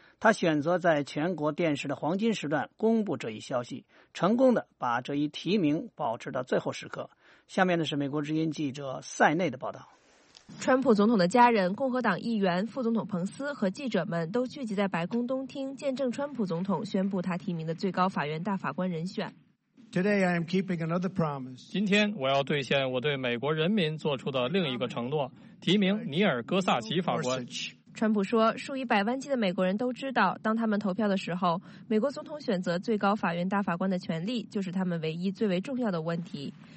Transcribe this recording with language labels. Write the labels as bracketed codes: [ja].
[zh] 他选择在全国电视的黄金时段公布这一消息，成功的把这一提名保持到最后时刻。下面的是美国之音记者塞内的报道。川普总统的家人、共和党议员、副总统彭斯和记者们都聚集在白宫东厅，见证川普总统宣布他提名的最高法院大法官人选。 [en] Today I am keeping another promise. [zh] 今天我要兑现我对美国人民做出的另一个承诺，提名尼尔·戈萨奇法官。川普说，数以百万计的美国人都知道，当他们投票的时候，美国总统选择最高法院大法官的权利就是他们唯一最为重要的问题。